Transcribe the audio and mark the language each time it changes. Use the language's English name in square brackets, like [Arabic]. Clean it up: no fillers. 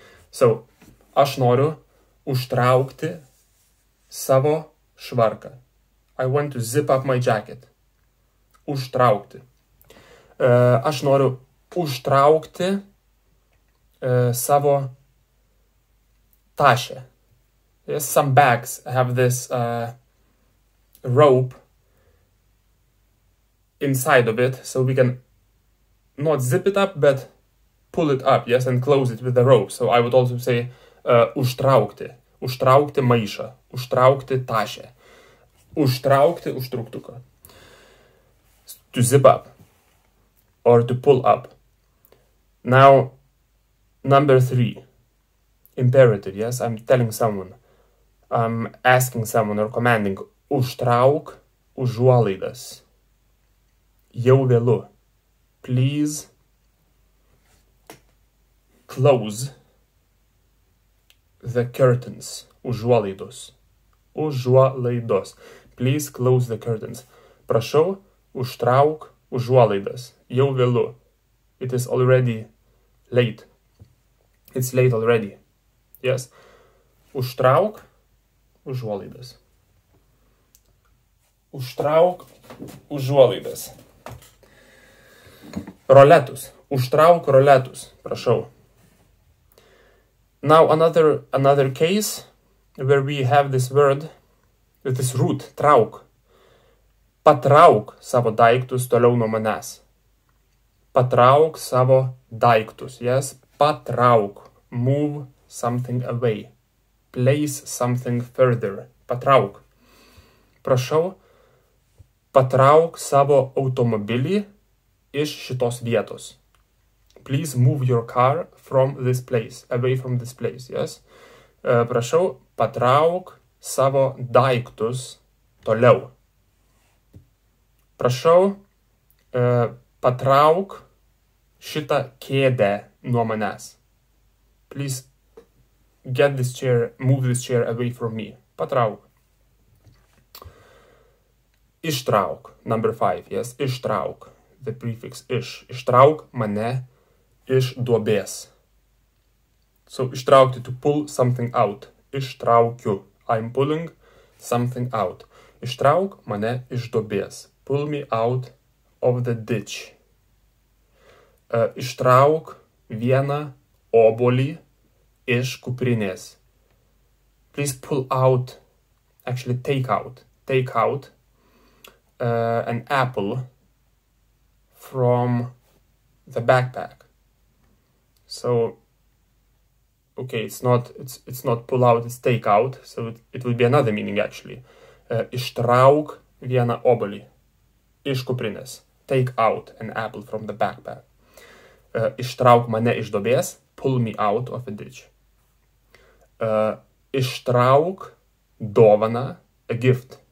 [Lithuanian] So, aš noriu užtraukti savo švarką. [English] I want to zip up my jacket. [Lithuanian] Užtraukti. Aš noriu užtraukti savo tašę. [English] Yes, some bags have this rope inside of it, so we can not zip it up, but pull it up, yes, and close it with the rope. So I would also say užtraukti. [Lithuanian] Užtraukti maišą. Užtraukti tašę. Užtraukti užtrauktuką. [English] To zip up. Or to pull up. Now, number three. Imperative, yes? I'm telling someone. I'm asking someone or commanding. [Lithuanian] Užtrauk užuolaidas. Jau vėlu. [English] Please close the curtains. [Lithuanian] Užuolaidos. Užuolaidos. [English] Please close the curtains. [Lithuanian] Prašau, užtrauk užuolaidas. Jau vėlu. [English] It is already late. It's late already. Yes. [Lithuanian] Užtrauk užuolaidas. Užtrauk užuolaidas. Roletus. Užtrauk roletus, prašau. [English] Now another case where we have this word, with this root, trauk. [Lithuanian] Patrauk savo daiktus toliau nuo manęs. Patrauk savo daiktus. Yes, patrauk. [English] Move something away. Place something further. Patrauk. [Lithuanian] Prašau, patrauk savo automobilį iš šitos vietos. [English] Please move your car from this place, away from this place, yes? [Lithuanian] Prašau, patrauk savo daiktus toliau. Prašau, patrauk šitą kėdę nuo manęs. [English] Please get this chair, move this chair away from me. [Lithuanian] Patrauk. [English] Ištrauk, number five, yes? Ištrauk, the prefix iš. [Lithuanian] Ištrauk mane iš duobės. [English] So, [Lithuanian] ištraukti, [English] to pull something out. [Lithuanian] Ištraukiu. [English] I'm pulling something out. [Lithuanian] Ištrauk mane iš duobės. [English] Pull me out of the ditch. [Lithuanian] Ištrauk vieną obolį iš kuprinės. [English] Please pull out, actually take out. Take out an apple from the backpack. So, okay, it's not pull out, it's take out. So it would be another meaning, actually. [Lithuanian] Ištrauk vieną obolį iš kuprinės. [English] Take out an apple from the backpack. [Lithuanian] Ištrauk mane iš duobės. [English] Pull me out of a ditch. [Lithuanian] Ištrauk dovaną, [English] a gift.